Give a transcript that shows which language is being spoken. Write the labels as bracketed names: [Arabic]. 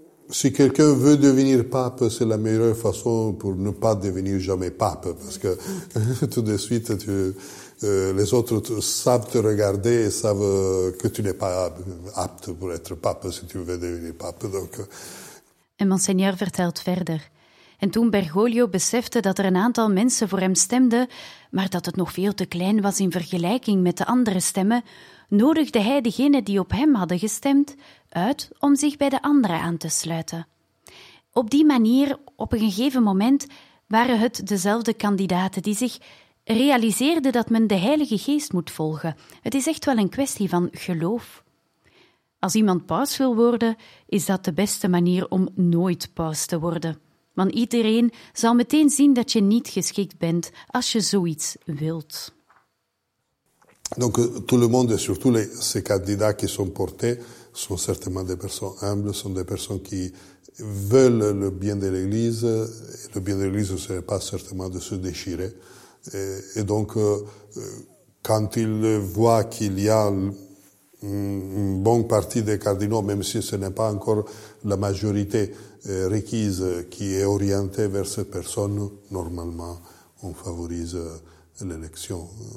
[French] Si quelqu'un veut devenir pape, c'est la meilleure façon pour ne pas devenir jamais pape, parce que tout de suite les autres savent te regarder et savent que tu n'es pas apte pour être pape si tu veux devenir pape. Donc. [Dutch] En Monseigneur vertelt verder. En toen Bergoglio besefte dat er een aantal mensen voor hem stemden, maar dat het nog veel te klein was in vergelijking met de andere stemmen, nodigde hij degene die op hem hadden gestemd uit om zich bij de anderen aan te sluiten. Op die manier, op een gegeven moment, waren het dezelfde kandidaten die zich realiseerden dat men de Heilige Geest moet volgen. Het is echt wel een kwestie van geloof. Als iemand paus wil worden, is dat de beste manier om nooit paus te worden. Want iedereen zal meteen zien dat je niet geschikt bent als je zoiets wilt. [French] Donc tout le monde, surtout ces candidats qui sont portés, sont certainement des personnes humbles, sont des personnes qui veulent le bien de l'Église. Le bien de l'Église ne serait pas certainement de se déchirer. Et donc, quand ils voient qu'il y a une bonne partie des cardinaux, même si ce n'est pas encore la majorité requise, qui est orientée vers cette personne, normalement, on favorise l'élection.